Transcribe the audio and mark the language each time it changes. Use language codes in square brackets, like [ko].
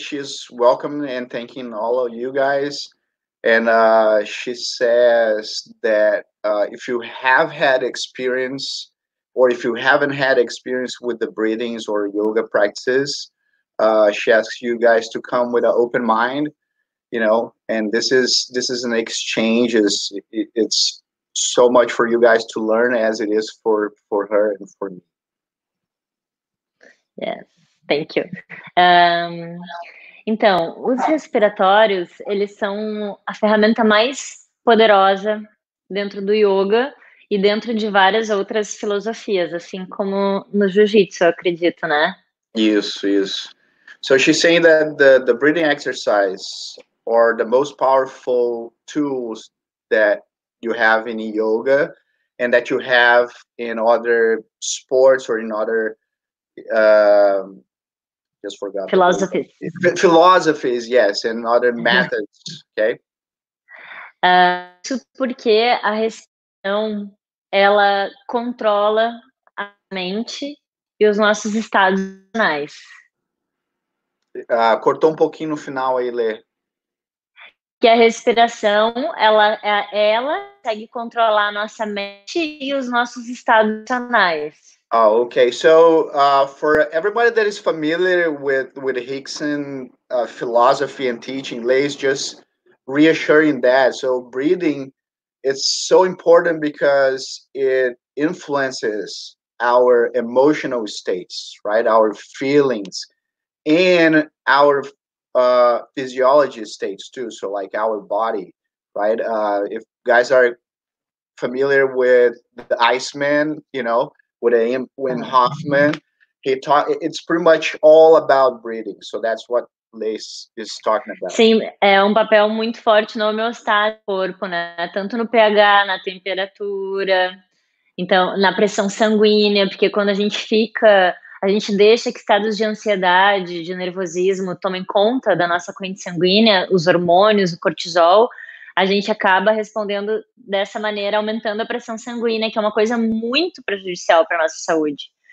[en] She's welcome and thanking all of you guys. And she says that if you have had experience or if you haven't had experience with the breathings or yoga practices, she asks you guys to come with an open mind. You know, and this is an exchange. It's so much for you guys to learn as it is for her and for me. Yes, thank you. [pt] Então, os respiratórios, eles são a ferramenta mais poderosa dentro do yoga e dentro de várias outras filosofias, assim como no jiu-jitsu, eu acredito, né? Isso. [en] So she's saying that the breathing exercise are the most powerful tools that you have in yoga and that you have in other sports or in other, just forgot. Philosophies, yes, and other methods, okay? [pt] Isso porque a respiração, ela controla a mente e os nossos estados emocionais. Cortou um pouquinho no final aí, Lê. Que a respiração, ela consegue controlar a nossa mente e os nossos estados emocionais. [en] Oh, okay. So, for everybody that is familiar with Hickson philosophy and teaching, Lê is just reassuring that. So, breathing is so important because it influences our emotional states, right? Our feelings and our physiology states too, so like our body, right? If guys are familiar with the Iceman, you know, with Wim Hofmann, it's pretty much all about breathing. So that's what Lace is talking about. [pt] Sim, é papel muito forte no meu estado do corpo, né? Tanto no pH, na temperatura, então na pressão sanguínea, porque quando a gente fica, a gente deixa que estados de ansiedade, de nervosismo, tomem conta da nossa corrente sanguínea, os hormônios, o cortisol, a gente acaba respondendo dessa maneira, aumentando a pressão sanguínea, que é uma coisa muito prejudicial para a nossa saúde.